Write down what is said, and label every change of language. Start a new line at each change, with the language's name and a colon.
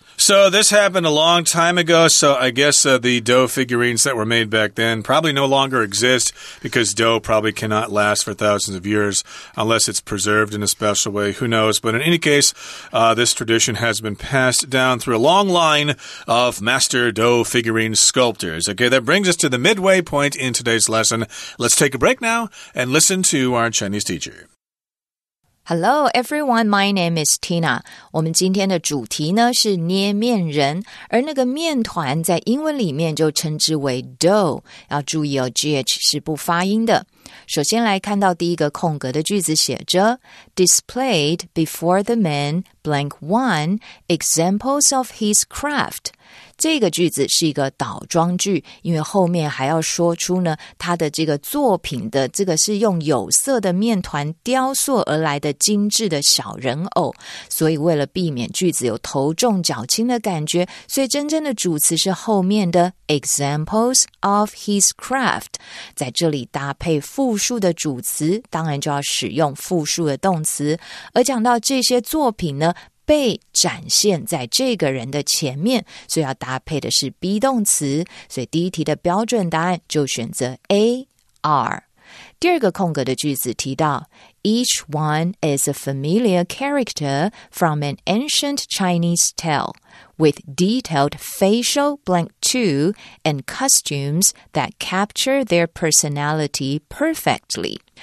English: So this happened a long time ago, so I guess the dough figurines that were made back then probably no longer exist because dough probably cannot last for thousands of years unless it's preserved in a special way. Who knows? But in any case, this tradition has been passed down through a long line of master dough figurine sculptors. Okay, that brings us to the midway point in today's lesson. Let's take a break now and listen to our Chinese teacher. Hello, everyone. My name is Tina.
Chinese: 我们今天的主题呢是捏面人，而那个面团在英文里面就称之为 dough。要注意哦 ，gh 是不发音的。首先来看到第一个空格的句子写着
English: ：displayed before the man blank one examples of his craft。
Chinese: 这个句子是一个倒装句，因为后面还要说出呢他的这个作品的这个是用有色的面团雕塑而来的精致的小人偶，所以为了避免句子有头重脚轻的感觉，所以真正的主词是后面的
English: examples of his craft，
Chinese: 在这里搭配复数的主词，当然就要使用复数的动词。而讲到这些作品呢被展现在这个人的前面，所以要搭配的是 be 动词，所以第一题的标准答案就选择 A, R。第二个空格的句子提到
English: ,Each one is a familiar character from an ancient Chinese tale, with detailed facial blank two and costumes that capture their personality perfectly.